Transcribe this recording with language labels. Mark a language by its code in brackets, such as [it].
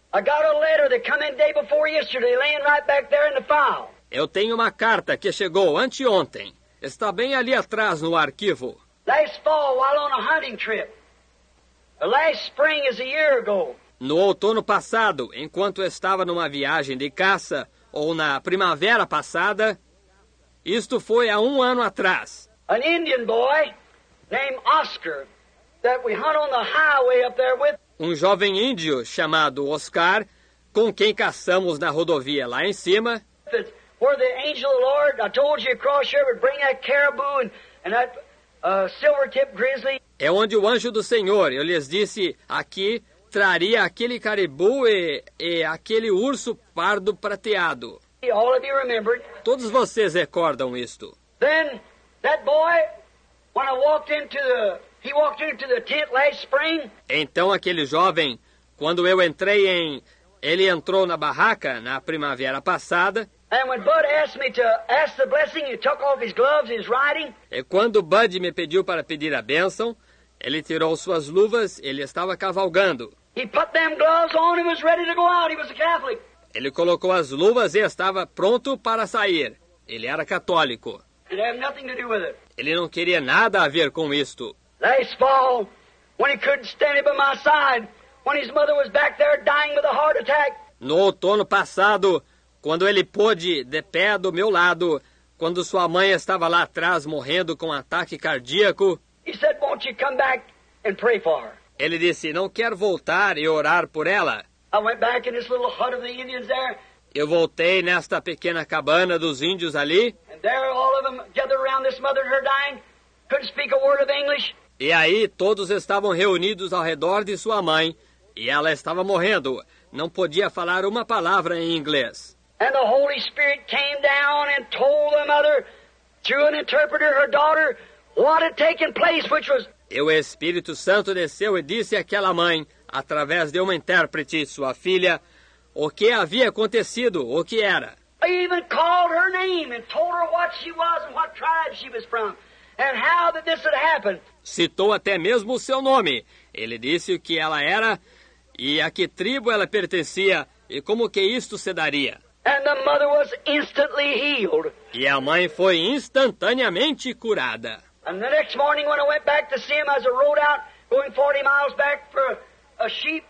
[en] I got a letter that came in day before yesterday, laying right back there in the file. [pt] Eu tenho uma carta que chegou anteontem. Está bem ali atrás no arquivo. [en] Last fall, while on a hunting trip. The last spring is a year ago. [pt] No outono passado, enquanto estava numa viagem de caça, ou na primavera passada, isto foi há um ano atrás. [en] An Indian boy named Oscar that we hunt on the highway up there with. [pt] Um jovem índio chamado Oscar, com quem caçamos na rodovia lá em cima. [en] Where the angel of the Lord, I told you across here, would bring that caribou and that silver-tipped grizzly. [pt] É onde o anjo do Senhor, eu lhes disse aqui, traria aquele caribu e aquele urso pardo prateado. [en] All of you remember. [pt] Todos vocês recordam isto. [en] Then that boy, when I walked into the, he walked into the tent last spring. [pt] Então aquele jovem, quando eu entrei em, ele entrou na barraca na primavera passada. [en] And when Bud asked me to ask the blessing, he took off his gloves, his riding. [pt] E quando Bud me pediu para pedir a bênção, ele tirou suas luvas, ele estava cavalgando. [en] He put them gloves on, he was ready to go out, he was a Catholic. [pt] Ele colocou as luvas e estava pronto para sair. Ele era católico. [en] He had nothing to do with it. [pt] Ele não queria nada a ver com isto. [en] Last fall, when he couldn't stand it by my side, when his mother was back there dying with a heart attack. [pt] No outono passado, quando ele pôde, de pé do meu lado, quando sua mãe estava lá atrás morrendo com um ataque cardíaco, [en] he said, won't you come back and pray for her? [pt] Ele disse, não quero voltar e orar por ela. [en] I went back in this little hut of the Indians there. [pt] Eu voltei nesta pequena cabana dos índios ali. [en] And there all of them gathered around this mother and her dying. Couldn't speak a word of English. [pt] E aí todos estavam reunidos ao redor de sua mãe. E ela estava morrendo. Não podia falar uma palavra em inglês. [en] And the Holy Spirit came down and told the mother, through an interpreter, her daughter, what had taken place, which was... [pt] E o Espírito Santo desceu e disse àquela mãe, através de uma intérprete, sua filha, o que havia acontecido, o que era. [en] He even called her name and told her what she was and what tribe she was from and how that this had happened. [pt] Citou até mesmo o seu nome. Ele disse o que ela era e a que tribo ela pertencia e como que isto se daria. [en] And the mother was instantly healed. [pt] E a mãe foi instantaneamente curada. [en] And the next morning when I went back to see him as I rode out going 40 miles back for a sheep.